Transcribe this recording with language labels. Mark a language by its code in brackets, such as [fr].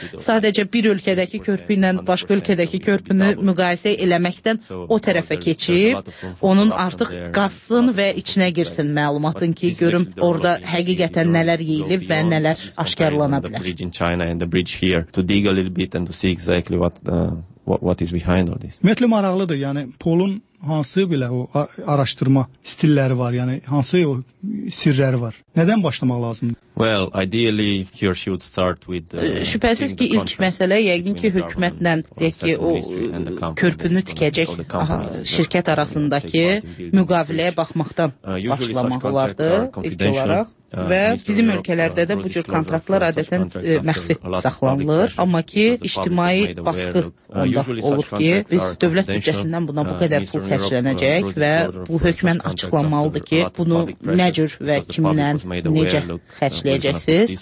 [az] sadəcə bir ölkədəki körpü ilə başqa ölkədəki körpünü müqayisə eləməkdən o tərəfə keçib, onun artıq qazsın və içinə girsin məlumatın ki, görüm orada həqiqətən nələr yeyilib və nələr aşkarlana bilər. [en] What is behind all this? [az] Ümumiyyətlə maraqlıdır. Yəni Polun hansı belə o araşdırma stilləri var? Yəni hansı o sirləri var? Nədən başlamaq lazımdır? [en] Well, ideally he or she would start with [az] şübhəsiz ki, ilk məsələ yəqin ki, hökumətlə deyək ki, o körpünü tikəcək şirkət arasındakı müqaviləyə baxmaqdan başlamaq olardı ilk olaraq. Və bizim ölkələrdə də bu cür kontraktlar adətən məxfi saxlanılır, amma ki, ictimai baskı onda olur ki, biz dövlət büdcəsindən buna bu qədər pul xərclənəcək və bu hökmən açıqlanmalıdır ki, bunu nə cür və kiminlə necə xərcləyəcəksiniz.